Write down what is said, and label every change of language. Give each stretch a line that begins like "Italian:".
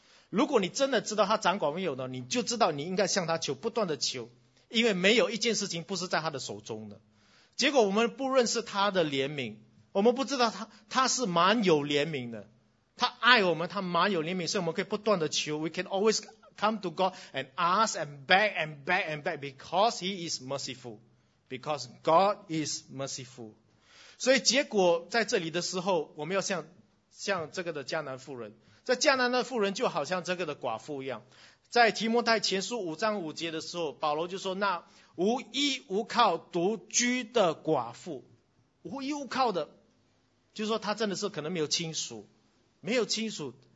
Chinese: 如果你真的知道他掌管万有的，你就知道你应该向他求，不断的求，因为没有一件事情不是在他的手中的。结果我们不认识他的怜悯，我们不知道他是蛮有怜悯的，他爱我们，他蛮有怜悯，所以我们可以不断的求。
English: We can alwaysCome to God and ask and beg and beg and beg because He is merciful. Because God is merciful.
Chinese: 所以结果在这里的时候，我们要像这个的迦南妇人。这迦南的妇人就好像这个的寡妇一样。在提摩太前书五章五节的时候，保罗就说，那无依无靠独居的寡妇，无依无靠的，就是说他真的是可能没有亲属，没有亲属。